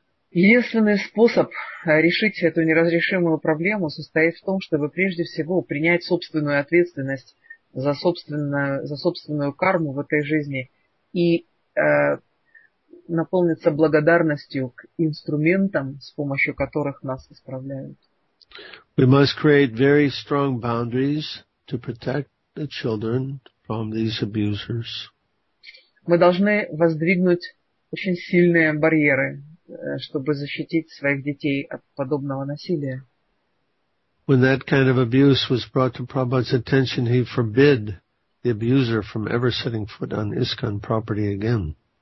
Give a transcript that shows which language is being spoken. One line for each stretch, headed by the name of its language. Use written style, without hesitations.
Russian: Единственный способ решить эту неразрешимую проблему состоит в том, чтобы прежде всего принять собственную ответственность за собственную карму в этой жизни и наполниться благодарностью к инструментам, с помощью которых нас исправляют.
English: We must create very strong boundaries to protect the children from these abusers.
Russian: Мы должны воздвигнуть очень сильные барьеры, чтобы защитить своих детей от подобного насилия.
English: When that kind of abuse was brought to Prabhupada's attention, he forbid the abuser from ever setting foot on ISKCON property again.